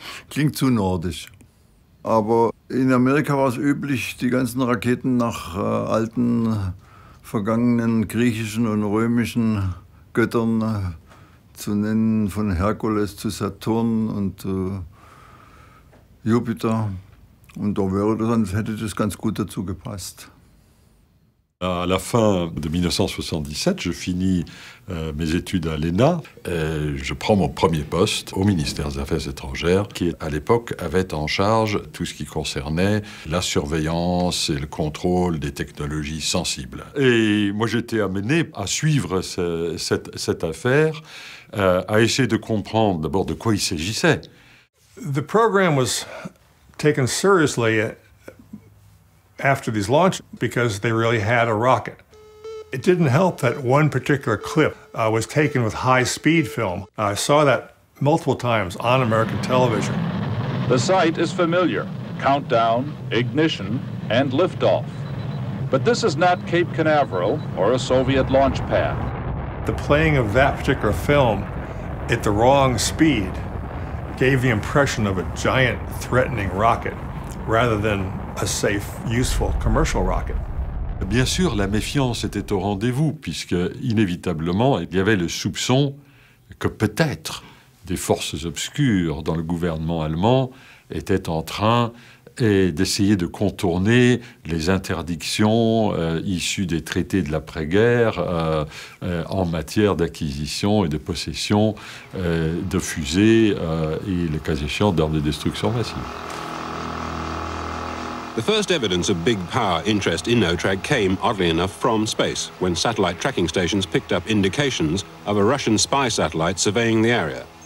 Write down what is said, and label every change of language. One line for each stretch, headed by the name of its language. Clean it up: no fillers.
German: Klingt zu nordisch. Aber in Amerika war es üblich, die ganzen Raketen nach alten, vergangenen griechischen und römischen Göttern zu nennen, von Herkules zu Saturn und Jupiter. Und da wäre das, hätte das ganz gut dazu gepasst.
French: À la fin de 1977, je finis mes études à l'ENA. Je prends mon premier poste au ministère des Affaires étrangères, qui à l'époque avait en charge tout ce qui concernait la surveillance et le contrôle des technologies sensibles. Et moi, j'étais amené à suivre cette affaire, à essayer de comprendre d'abord de quoi il s'agissait.
English: The program was taken seriously after these launches because they really had a rocket. It didn't help that one particular clip was taken with high-speed film. I saw that multiple times on American television. The sight is familiar. Countdown, ignition, and liftoff. But this is not Cape Canaveral or a Soviet launch pad. The playing of that particular film at the wrong speed gave the impression of a giant threatening rocket rather than a safe, useful commercial rocket.
French: Bien sûr, la méfiance était au rendez-vous, puisque inévitablement, il y avait le soupçon que peut-être des forces obscures dans le gouvernement allemand étaient en train d'essayer de contourner les interdictions issues des traités de l'après-guerre en matière d'acquisition et de possession de fusées et, le cas échéant, d'armes de destruction massive.
English: The first evidence of big power interest in NOTRAG came, oddly enough, from space, when satellite tracking stations picked up indications of a Russian spy satellite surveying the area.